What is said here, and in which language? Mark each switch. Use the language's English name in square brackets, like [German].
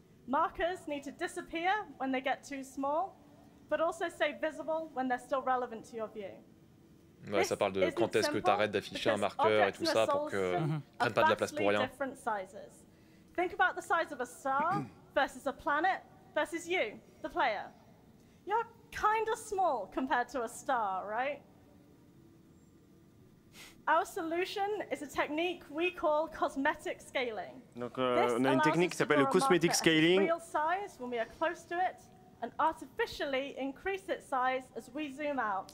[English] Markers need to disappear when they get too small, but also stay visible when they're still relevant to your view. [French] Ouais, ça parle de quand est-ce que tu arrêtes d'afficher un marqueur et tout ça pour que tu prennes pas de la place pour rien. [English] Think about the size of a star versus a planet versus you, the player. You're kind of small compared to a star, right? Our solution is a technique we call cosmetic scaling. [French] Donc on a une technique qui s'appelle le cosmetic scaling. [English] Real size when we are close to it. And artificially increase its size as we zoom out.